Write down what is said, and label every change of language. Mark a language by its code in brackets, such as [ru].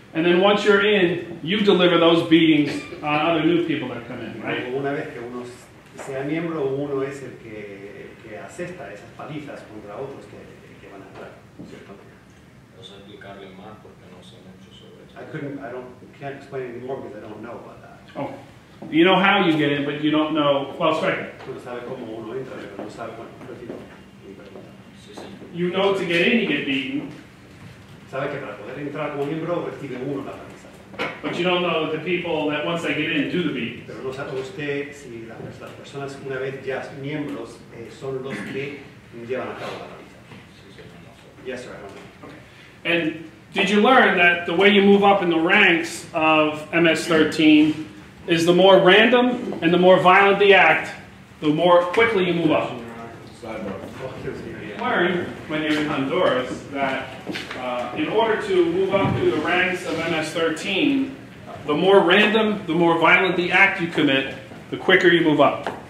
[en] And then once you're in, you deliver those beatings on other new people that come in, right? [es] Una vez que uno sea miembro, uno es el que acepta esas palizas contra otros que van a entrar, ¿cierto? No sé explicarle más porque no sé mucho sobre eso. [en] I can't explain anymore because I don't know about that. Oh, you know how you get in, but you don't know. Well, sorry. [es] Uno sabe cómo uno entra, pero no sabe cuándo. Mi pregunta. Sí, sí. [en] You know to get in, you get beaten. [es] Sabe que para poder entrar como miembro recibe uno la paliza. [en] But you don't know the people that once they get in do the beat. [es] Pero no sabe usted si las personas una vez ya miembros son los que llevan a cabo la paliza. [en] Yes, sir. Okay. And did you learn that the way you move up in the ranks of MS-13 is the more random and the more violent the act, the more quickly you move up? Learned when you're in Honduras that in order to move up through the ranks of MS-13, the more random, the more violent the act you commit, the quicker you move up.